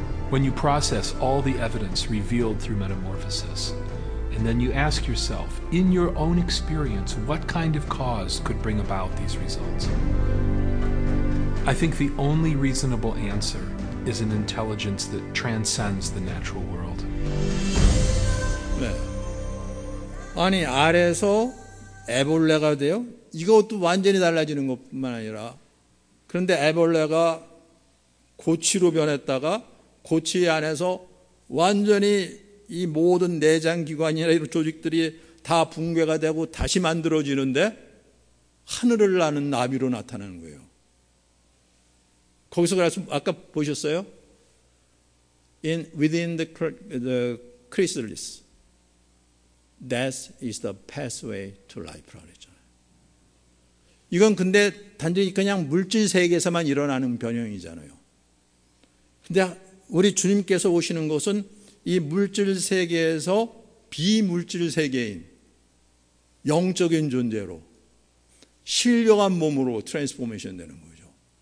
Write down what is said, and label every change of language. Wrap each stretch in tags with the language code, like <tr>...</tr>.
<en>When you process all the evidence revealed through metamorphosis, and then you ask yourself, in your own experience, what kind of cause could bring about these results? I think the only reasonable answer is an intelligence that transcends the natural world.</en> <ko>네. 아니, 아래에서 애벌레가 돼요? 이것도 완전히 달라지는 것뿐만 아니라, 그런데 애벌레가 고치로 변했다가 고치 안에서 완전히 이 모든 내장기관이나 이런 조직들이 다 붕괴가 되고 다시 만들어지는데 하늘을 나는 나비로 나타나는 거예요. 거기서 그래서 아까 보셨어요?</ko> <en>Within the chrysalis, death is the pathway to life.</en> <ko>이건 근데 단지 그냥 물질 세계에서만 일어나는 변형이잖아요. 근데 우리 주님께서 오시는 것은 이 물질 세계에서 비물질 세계인 영적인 존재로 신령한 몸으로 트랜스포메이션 되는 거죠.</ko>